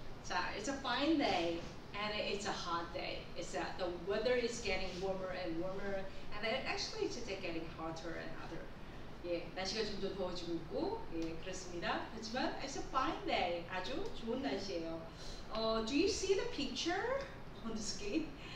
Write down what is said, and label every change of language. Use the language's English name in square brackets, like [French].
[English] So it's a fine day and it's a hot day. It's the weather is getting warmer and warmer, and then actually it's getting hotter and hotter. [Korean] 예, 날씨가 좀 더 더워지고 있고, 예, 그렇습니다. 하지만 [English] it's a fine day. [Korean] 아주 좋은 날씨예요. [English] Do you see the picture on the screen?